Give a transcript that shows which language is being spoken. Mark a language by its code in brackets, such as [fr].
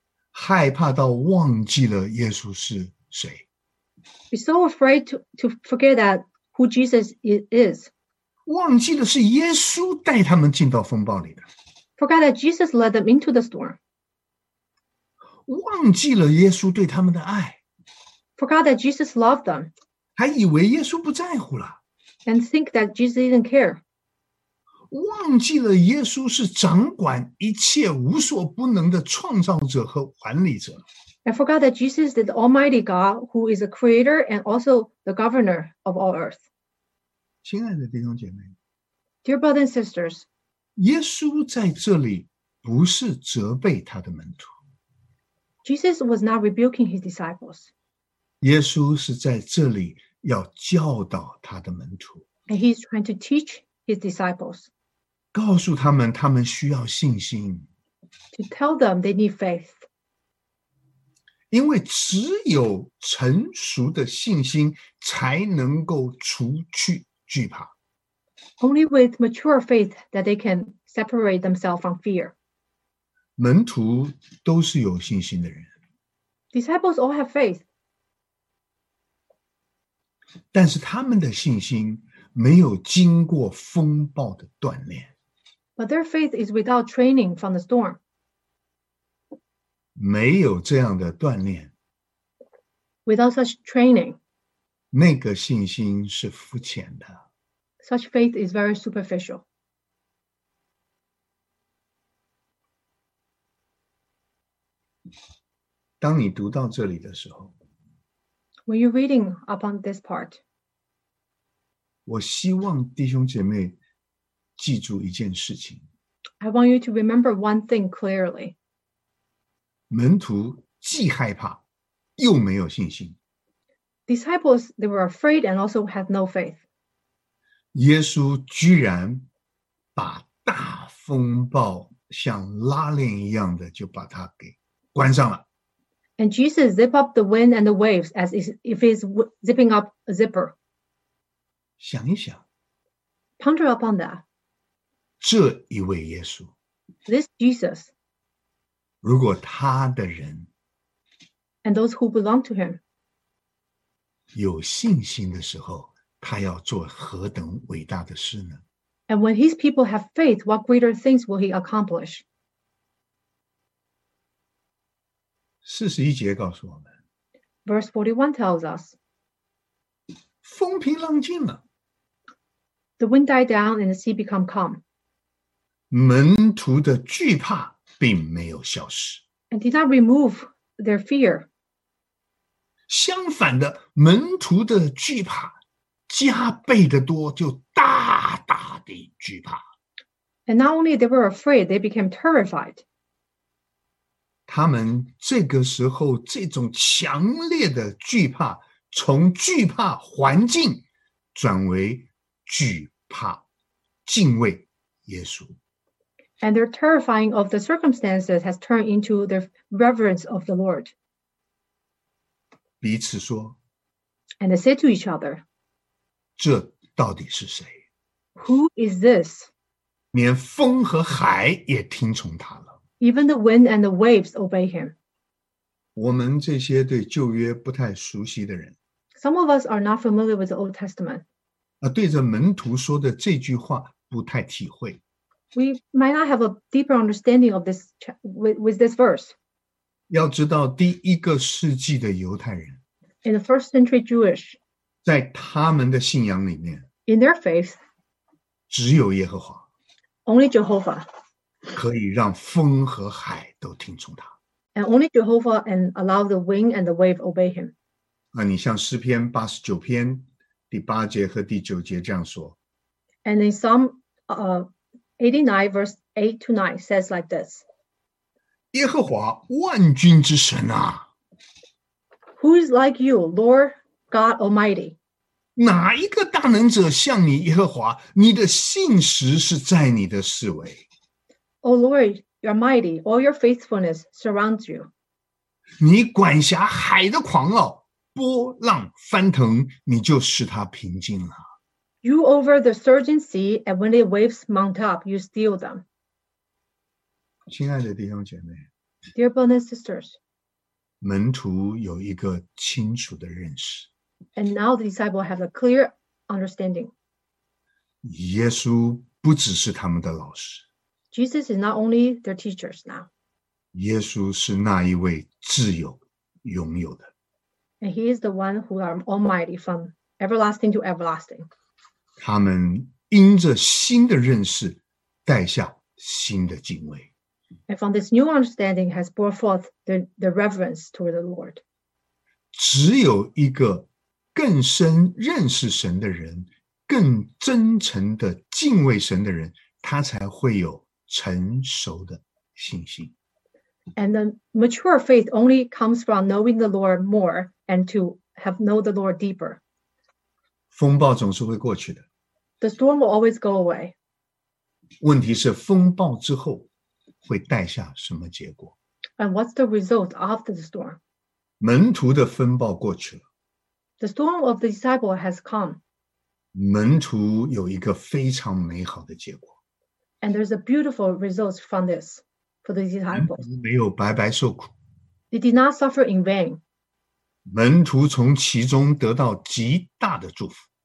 [zh] 害怕到忘记了耶稣是谁。 [en] Be so afraid to forget that who Jesus is. [zh] 忘记了是耶稣带他们进到风暴里的。 [en] Forget that Jesus led them into the storm. [zh] 忘记了耶稣对他们的爱。 [en] Forgot that Jesus loved them. [zh] 还以为耶稣不在乎了。 [en] And think that Jesus didn't care. [zh] 忘记了耶稣是掌管一切无所不能的创造者和管理者。 [en] I forgot that Jesus is the Almighty God who is a creator and also the governor of all earth. [zh] 亲爱的弟兄姐妹。 [en] Dear brothers and sisters. [zh] 耶稣在这里不是责备他的门徒。 [en] Jesus was not rebuking his disciples. [zh] 耶稣是在这里要教导他的门徒。 [en] And he's trying to teach his disciples. [zh] 告诉他们他们需要信心。 [en] To tell them they need faith. [zh] 因为只有成熟的信心才能够除去惧怕。 [en] Only with mature faith that they can separate themselves from fear. [zh] 门徒都是有信心的人。 [en] Disciples all have faith. [zh] 但是他们的信心没有经过风暴的锻炼。 [en] But their faith is without training from the storm. [zh] 没有这样的锻炼。 [en] Without such training. [zh] 那个信心是肤浅的。 [en] Such faith is very superficial. [zh] 当你读到这里的时候， [en] When you're reading upon this part, [zh] 我希望弟兄姐妹记住一件事情。 [en] I want you to remember one thing clearly. [zh] 门徒既害怕又没有信心。 [en] Disciples, they were afraid and also had no faith. [zh] 耶稣居然把大风暴像拉链一样的就把它给关上了。 [en] And Jesus zipped up the wind and the waves as if he's zipping up a zipper. [zh] 想一想。 [en] Ponder upon that. [zh] 这一位耶稣。 [en] This Jesus. [zh] 如果他的人。 [en] And those who belong to him. [zh] 有信心的时候他要做何等伟大的事呢？ [en] And when his people have faith, what greater things will he accomplish? [zh] 四十一节告诉我们 [en] ，Verse 41 tells us， [zh] 风平浪静了 [en] ，The wind died down and the sea became calm。 [zh] 门徒的惧怕并没有消失 [en] ，And did not remove their fear。 [zh] 相反的，门徒的惧怕加倍的多，就大大的惧怕。 [en] And not only they were afraid, they became terrified。 [zh] 他们这个时候这种强烈的惧怕从惧怕环境转为惧怕敬畏耶稣。 [en] And their terrifying of the circumstances has turned into their reverence of the Lord. [zh] 彼此说。 [en] And they said to each other. [zh] 这到底是谁？ [en] Who is this? [zh] 连风和海也听从他了。 [en] Even the wind and the waves obey him. [zh] 我们这些对旧约不太熟悉的人。 [en] Some of us are not familiar with the Old Testament. [zh] 对着门徒说的这句话不太体会。 [en] We might not have a deeper understanding of this with this verse. [zh] 要知道第一个世纪的犹太人。 [en] In the first century Jewish. [zh] 在他们的信仰里面。 [en] In their faith. [zh] 只有耶和华。 [en] Only Jehovah. [zh] 可以让风和海都听从他。 [en] And only Jehovah and allow the wind and the wave obey him. [zh] 你像诗篇八十九篇第八节和第九节这样说。 [en] And in Psalm 89 verse 8 to 9 says like this. [zh] 耶和华万军之神啊。 [en] Who is like you, Lord God Almighty? [zh] 哪一个大能者像你耶和华？你的信实是在你的四围。 [en] O Lord, you're mighty. All your faithfulness surrounds you. [zh] 你管辖海的狂傲，波浪翻腾，你就使它平静了。 [en] You over the surging sea, and when the waves mount up, you still them. [zh] 亲爱的弟兄姐妹 [en] ，Dear brothers and sisters, [zh] 门徒有一个清楚的认识。 [en] And now the disciples have a clear understanding. [zh] 耶稣不只是他们的老师。 [en] Jesus is not only their teachers now. [zh] 耶稣是那一位自有拥有的。 [en] And he is the one who are almighty from everlasting to everlasting. [zh] 他们因着新的认识带下新的敬畏。 [en] And from this new understanding has brought forth the reverence toward the Lord. [zh] 只有一个更深认识神的人，更真诚的敬畏神的人，他才会有成熟的信心。 [en] And the mature faith only comes from knowing the Lord more and to have know the Lord deeper. [zh] 风暴总是会过去的。 [en] The storm will always go away. [zh] 问题是风暴之后会带下什么结果？ [en] And what's the result after the storm? [zh] 门徒的风暴过去了。 [en] The storm of the disciple has come. [zh] 门徒有一个非常美好的结果。 [en] And there's a beautiful result from this for the disciples. [zh] 门徒没有白白受苦。 [en] They did not suffer in vain. [zh] 门徒从其中得到极大的祝福。